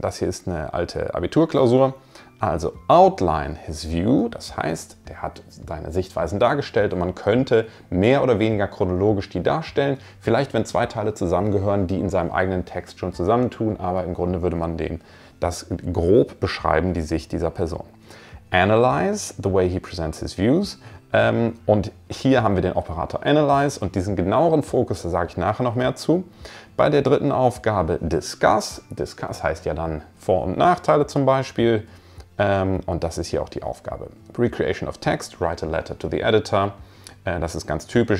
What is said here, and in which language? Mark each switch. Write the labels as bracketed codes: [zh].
[de] Das hier ist eine alte Abiturklausur. Also [en] outline his view, [de] das heißt, der hat seine Sichtweisen dargestellt und man könnte mehr oder weniger chronologisch die darstellen. Vielleicht, wenn 2 Teile zusammengehören, die in seinem eigenen Text schon zusammentun, aber im Grunde würde man dem das grob beschreiben, die Sicht dieser Person. [en] Analyze the way he presents his views. [de] Und hier haben wir den Operator analyze und diesen genaueren Fokus, da sage ich nachher noch mehr zu. Bei der dritten Aufgabe discuss. Discuss heißt ja dann Vor- und Nachteile zum Beispiel. Und das ist hier auch die Aufgabe. [en] Recreation of text, write a letter to the editor. [de] Das ist ganz typisch.